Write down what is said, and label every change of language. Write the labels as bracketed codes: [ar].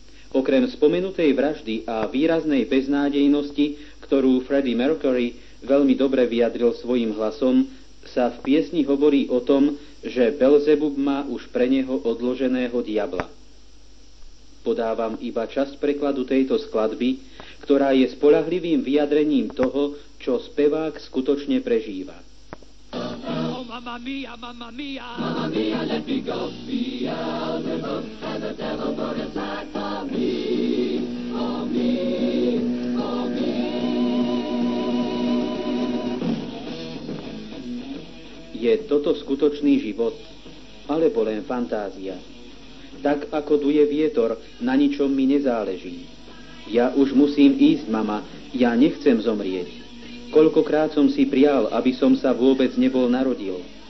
[sk] Okrem spomenutej vraždy a výraznej beznádejnosti, ktorú Freddie Mercury veľmi dobre vyjadril svojim hlasom, sa v piesni hovorí o tom, že Belzebub má už pre neho odloženého diabla. Podávam iba časť prekladu tejto skladby, ktorá je spoľahlivým vyjadrením toho, čo spevák skutočne prežíva. [en] Mamma mia, mamma mia, mamma mia, let me go free. I'll never have the devil put aside for me, for me, for me. [sk] Je toto skutočný život, alebo len fantázia? Tak ako duje vietor, na ničom mi nezáleží. Ja už musím ísť, mama, ja nechcem zomrieť. Koľkokrát som si prial, aby som sa vôbec nebol narodil.